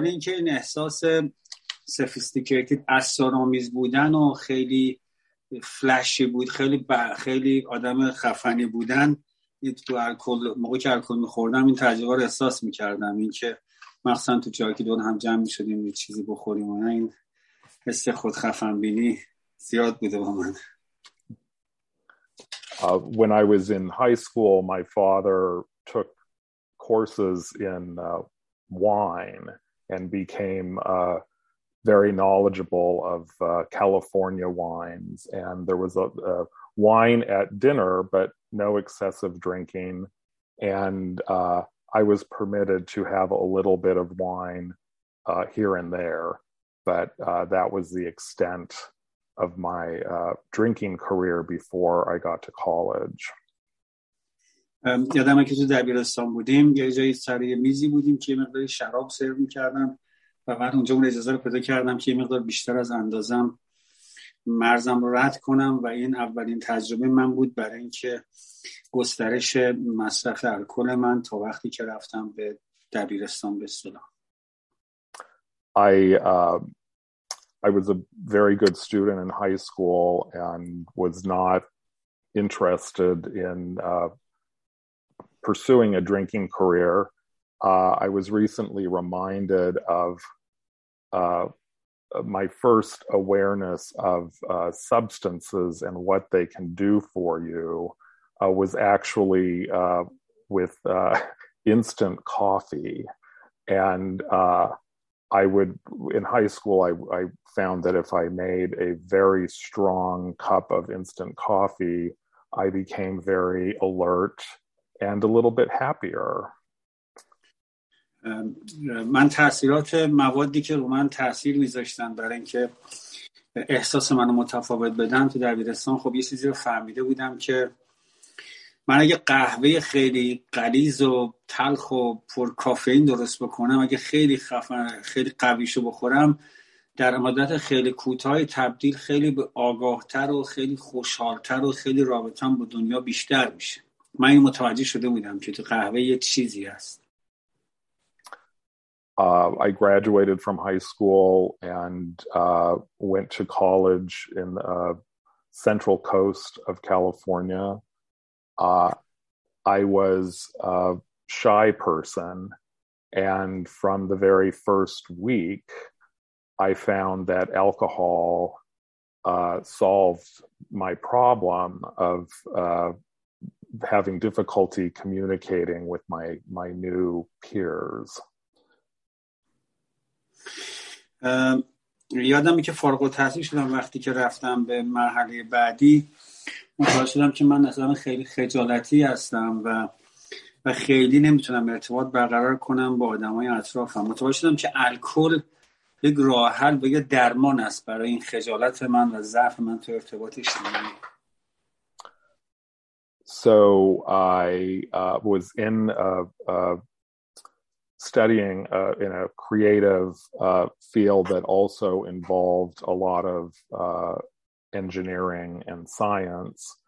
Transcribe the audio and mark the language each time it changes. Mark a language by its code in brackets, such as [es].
[fa] ولی اینکه این احساس سفیستیکیتید اثرآمیز بودن و خیلی فلشی بود، خیلی آدم خفنی بودن تو الکل، موقعی که الکل میخوردم این تجربه رو احساس میکردم. اینکه مخصوصا تو جایی که دور هم جمع میشدیم یه چیزی بخوریم و نه، این حس خود خفن بینی زیاد بوده با من. [en] When I was in high school, my father took courses in wine and became very knowledgeable of California wines, and there was a wine at dinner but no excessive drinking, and I was permitted to have a little bit of wine here and there, But that was the extent of my drinking career before I got to college. [fa] یادم که تو دبیرستان بودیم یه جایی سر یه میزی بودیم که یه مقدار شراب سرو میکردم و من اونجا اون اجازه رو پیدا کردم که یه مقدار بیشتر از اندازم مرزم رو رد کنم و این اولین تجربه من بود برای اینکه گسترش مصرف الکل من تا وقتی که رفتم به دبیرستان به سلام. [en] I was a very good student in high school and was not interested in pursuing a drinking career. I was recently reminded of my first awareness of substances and what they can do for you was actually with instant coffee. And I would, in high school, I found that if I made a very strong cup of instant coffee, I became very alert and a little bit happier. [fa] من تاثیرات موادی که رو من تاثیر میذاشتن برای اینکه احساس منو متفاوت بدن تو دبیرستان، خب یه چیزی رو فهمیده بودم که من اگه قهوه خیلی غلیظ و تلخ و پر کافئین درست بکنم، اگه خیلی خفن خیلی قویشو بخورم، در مدت خیلی کوتاهی تبدیل خیلی به آگاهتر و خیلی خوشحالتر و خیلی رابطه‌ام با دنیا بیشتر میشه. من این متوجه شده بودم که تو قهوه یه چیزی هست. [en] I graduated from high school and went to college in the central coast of California. I was a shy person, and from the very first week, I found that alcohol solved my problem of having difficulty communicating with my new peers. [fa] یادم که فارغ التحصیل شدم، وقتی که رفتم به مرحله بعدی متوجه شدم که من اصلا خیلی خجالتی هستم و خیلی نمیتونم ارتباط برقرار کنم با آدمای اطرافم. متوجه شدم که الکل یک راه حل و یک درمان است برای این خجالت من و ضعف من تو ارتباط اجتماعی. [en] So I was in studying in a creative field that also involved a lot of engineering and science.